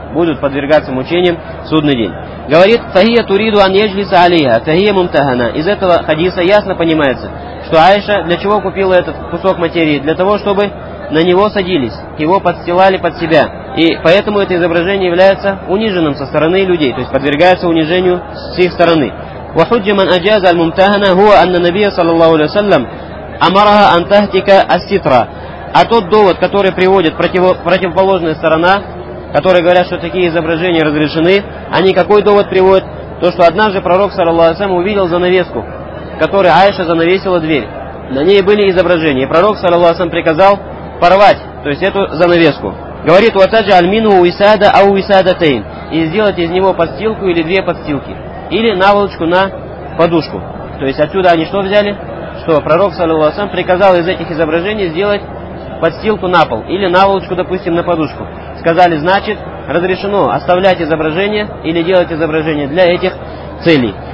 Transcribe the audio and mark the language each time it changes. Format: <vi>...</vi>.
<ru>Будут подвергаться мучениям в судный день. Говорит,</ru> <ar>фахия туриду ан еджлиса алейха, фахия мумтахана.</ar> <ru>Из этого хадиса ясно понимается, что Айша для чего купила этот кусок материи? Для того, чтобы на него садились, его подстилали под себя. И поэтому это изображение является униженным со стороны людей, то есть подвергается унижению с их стороны.</ru> <ar>وحج من أجاز الممتهنة هو أن النبي صلى الله عليه وسلم أمرها أن تهتك الستر.</ar> <ru>А тот довод, который приводит противоположная сторона, которые говорят, что такие изображения разрешены, они какой довод приводят? То, что однажды пророк صلى الله عليه وسلم увидел занавеску, которой Айша занавесила дверь. На ней были изображения. И пророк صلى الله عليه وسلم приказал порвать, то есть эту занавеску. Говорит,</ru> <ar>وتجعل منه وسادة أو وسادتين.</ar> <ru>И сделать из него подстилку или две подстилки. Или наволочку на подушку. То есть отсюда они что взяли? Что пророк, саллаллаху алейхи ва саллям, приказал из этих изображений сделать подстилку на пол. Или наволочку, допустим, на подушку. Сказали, значит, разрешено оставлять изображение или делать изображение для этих целей.</ru>